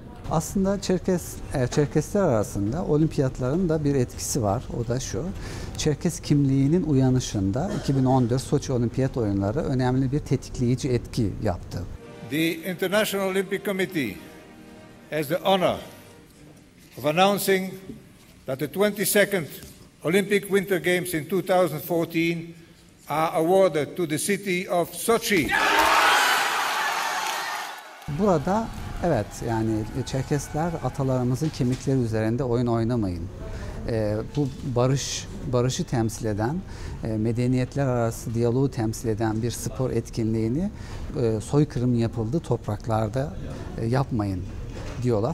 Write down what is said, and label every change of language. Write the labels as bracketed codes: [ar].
[tr] Aslında Çerkesler arasında olimpiyatların da bir etkisi var. O da şu, Çerkes kimliğinin uyanışında 2014 Soçi Olimpiyat Oyunları önemli bir tetikleyici etki yaptı. [en] The International Olympic Committee has the honor of announcing that the 22nd Olympic Winter Games in 2014 are awarded to the city of Sochi. [tr] Burada evet, yani Çerkesler atalarımızın kemikleri üzerinde oyun oynamayın. Bu barışı temsil eden, medeniyetler arası diyaloğu temsil eden bir spor etkinliğini soykırım yapıldı topraklarda yapmayın diyorlar.